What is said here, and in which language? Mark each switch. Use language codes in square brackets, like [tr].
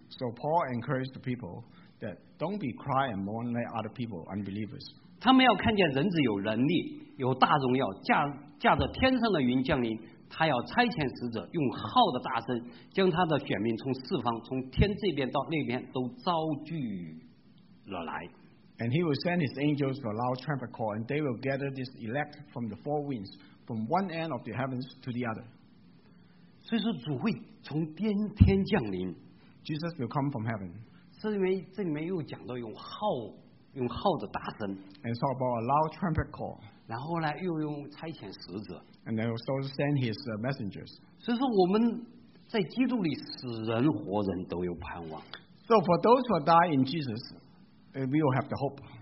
[en] So Paul encouraged the people that don't be cry and mourn like other people, unbelievers. [zh] 他们要看见人子有能力，有大荣耀，驾着天上的云降临。他要差遣使者，用号的大声，将他的选民从四方，从天这边到那边都招聚了来。 [en] And he will send his angels with a loud trumpet call, and they will gather this elect from the four winds, from one end of the heavens to the other. [zh] 所以说主会从天降临。 [en] Jesus will come from heaven. [zh] 这里面又讲到用号的大声。 [en] And talk about a loud trumpet call. [zh] 然后呢又用差遣使者。 [en] And then also send his messengers. [zh] 所以说我们在基督里死人活人都有盼望。 [en] So for those who die in Jesus, we will have the hope.